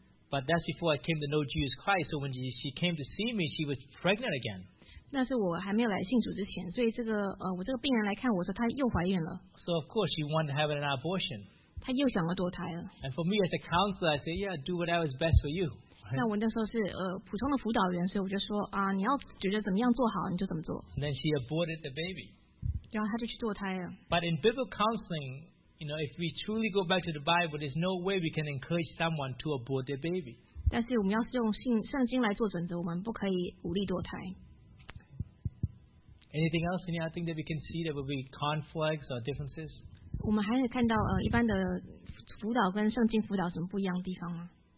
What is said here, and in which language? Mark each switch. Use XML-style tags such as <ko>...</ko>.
<en>but that's before I came to know Jesus Christ, so when she came to see me, she was pregnant again.</en> <zh>那是我还没有来信主之前, 所以这个, 我这个病人来看我的时候,</zh> <en>so of course she wanted to have an abortion. And for me as a counselor, I said, yeah, do whatever is best for you.</en> <zh>那我那时候是 普通的辅导员, 所以我就说, 啊, 你要觉得怎么样做好, 你就怎么做。</zh> <en>And then she aborted the baby.</en> <zh>然后她就去堕胎了。</zh> <en>But in biblical counseling, you know, if we truly go back to the Bible, there's no way we can encourage someone to abort their baby.</en> <zh>但是我们要是用圣经来做准则, 我们不可以鼓励堕胎。</zh> <en>Anything else in here, I think that we can see that will be conflicts or differences?</en> <zh>我们还可以看到 一般的辅导跟圣经辅导什么不一样的地方吗?</zh>